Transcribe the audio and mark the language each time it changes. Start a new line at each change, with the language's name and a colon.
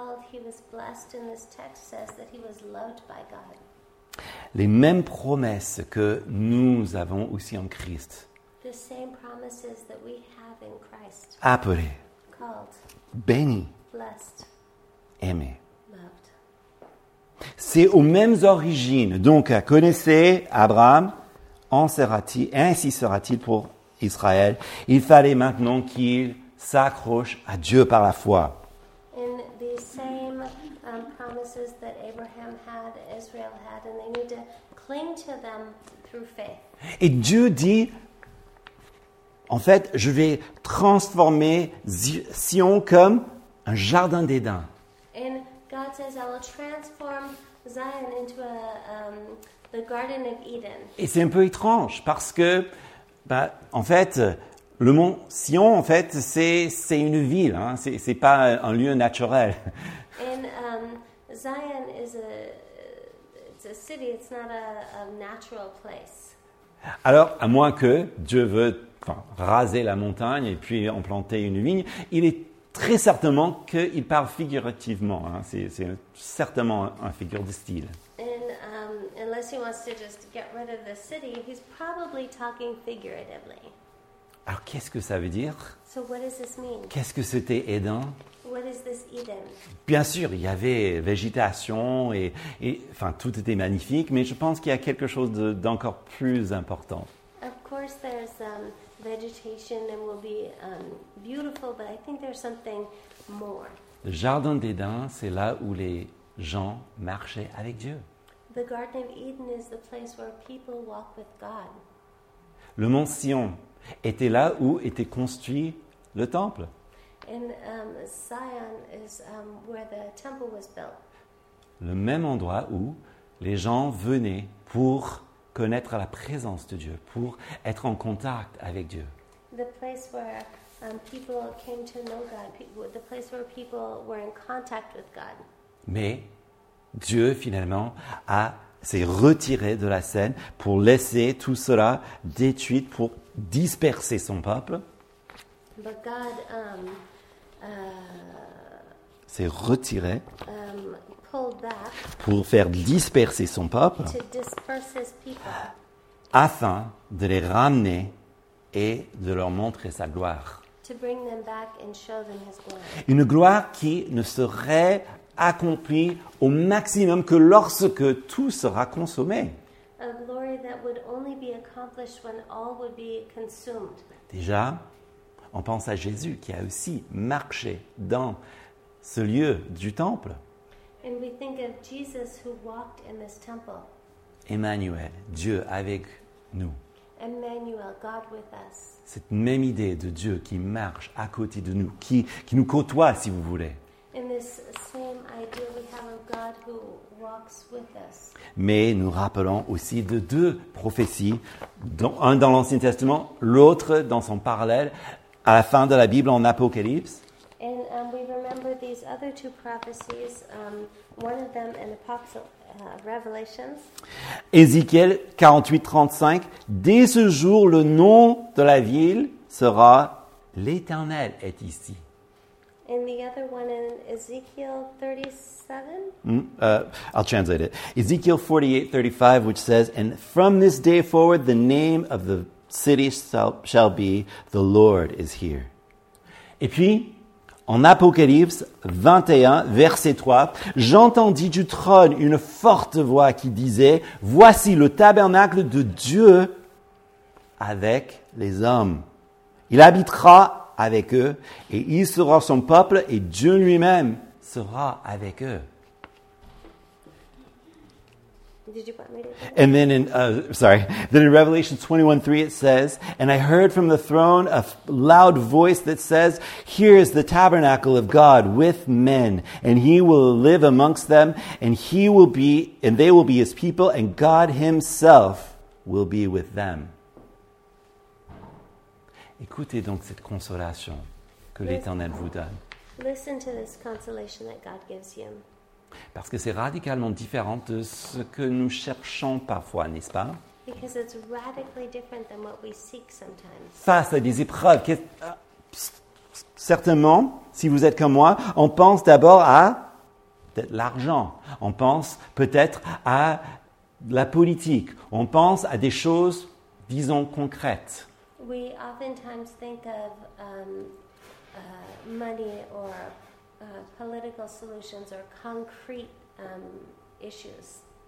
English: He was blessed, and this text says that he was loved by God.
French: les mêmes promesses que nous avons aussi en Christ.
English: The same promises that we have in Christ.
French: Appelés.
English: Called.
French: Bénis.
English: Blessed.
French: Aimés.
English: Loved.
French: C'est aux mêmes origines. Donc, connaissez Abraham, en sera-t-il, ainsi sera-t-il pour Israël. Il fallait maintenant qu'il s'accroche à Dieu par la foi.
English: In the same promises that Abraham had, Israel had, and they need to cling to them through faith.
French: Et Dieu dit, en fait, je vais transformer Sion comme un jardin d'Éden.
English: And God says, I will transform Zion into a, the Garden of Eden.
French: Et c'est un peu étrange parce que, bah, en fait, le mont Sion, en fait, c'est une ville, hein, c'est pas un lieu naturel.
English: And Zion is a, it's a city, it's not a, a natural place.
French: Alors, à moins que Dieu veut, enfin, raser la montagne et puis en planter une vigne, il est très certainement qu'il parle figurativement, hein, c'est certainement un figure de style.
English: Unless he wants to just get rid of the city, he's probably talking figuratively.
French: Alors, qu'est-ce que ça veut dire?
English: So what does this mean?
French: Qu'est-ce que c'était Éden?
English: What is this Eden?
French: Bien sûr, il y avait végétation et enfin, tout était magnifique, mais je pense qu'il y a quelque chose de, d'encore plus important.
English: Of course, there's vegetation and will be beautiful, but I think there's something more.
French: Le jardin d'Éden, c'est là où les gens marchaient avec Dieu.
English: The Garden of Eden is the place where people walk with God.
French: Le mont Sion était là où était construit le temple.
English: And Zion is where the temple was built.
French: Le même endroit où les gens venaient pour connaître la présence de Dieu, pour être en contact avec Dieu.
English: The place where people came to know God, the place where people were in contact with God.
French: Mais Dieu, finalement, s'est retiré de la scène pour laisser tout cela détruit, pour disperser son peuple.
English: But God,
French: s'est retiré
English: pulled back
French: pour faire disperser son peuple
English: to disperse his people,
French: afin de les ramener et de leur montrer sa gloire.
English: To bring them back and show them his glory.
French: Une gloire qui ne serait accompli au maximum que lorsque tout sera consommé.
English: A glory that would only be accomplished when all would be consumed.
French: Déjà, on pense à Jésus qui a aussi marché dans ce lieu du temple.
English: And we think of Jesus who walked in this temple.
French: Emmanuel, Dieu avec nous.
English: Emmanuel, God with us.
French: Cette même idée de Dieu qui marche à côté de nous, qui nous côtoie, si vous voulez.
English: In this same idea we have of God who walks with us.
French: Mais nous rappelons aussi de deux prophéties, dont un dans l'Ancien Testament, l'autre dans son parallèle à la fin de la Bible en Apocalypse.
English: And we remember these other two prophecies, one of them in Revelation.
French: Ézéchiel 48:35, dès ce jour le nom de la ville sera l'Éternel est ici.
English: And the other one in Ezekiel 37? I'll translate it. Ezekiel 48:35, which says, and from this day forward, the name of the city shall be, the Lord is here.
French: Et puis, en Apocalypse 21, verset 3, j'entendis du trône une forte voix qui disait, voici le tabernacle de Dieu avec les hommes. Il habitera avec eux, et il sera son peuple, et Dieu lui-même sera avec eux.
English: Did you want me to do that? And then in Revelation 21:3 it says, and I heard from the throne a loud voice that says, here is the tabernacle of God with men, and he will live amongst them, and he will be, and they will be his people, and God himself will be with them.
French: Écoutez donc cette consolation que l'Éternel vous donne.
English: Listen to this consolation that God gives you.
French: Parce que c'est radicalement différent de ce que nous cherchons parfois, n'est-ce pas?
English: Because it's radically different than what we seek sometimes.
French: Face à des épreuves, certainement, si vous êtes comme moi, on pense d'abord à l'argent. On pense peut-être à la politique, on pense à des choses, disons, concrètes.
English: We oftentimes think of money or political solutions or concrete issues.